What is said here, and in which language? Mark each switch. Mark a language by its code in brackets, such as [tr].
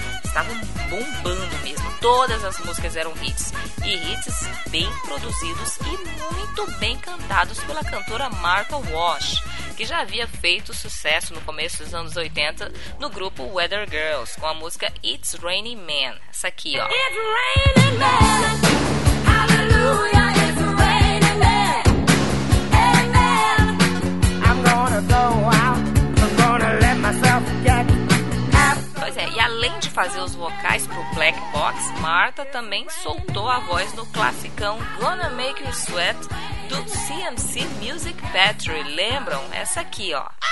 [pt] Estavam bombando mesmo. Todas as músicas eram hits. E hits bem produzidos e muito bem cantados pela cantora Martha Wash, que já havia feito sucesso no começo dos anos 80 no grupo Weather Girls, com a música It's Raining Men. Essa aqui, ó. [en] It's raining men, hallelujah, it's raining men, amen. I'm gonna go out, I'm gonna let myself get up. [pt] Pois é, e além de fazer os vocais pro Black Box, Martha também soltou a voz no classicão Gonna Make You Sweat, do CMC Music Factory. Lembram? Essa aqui, ó.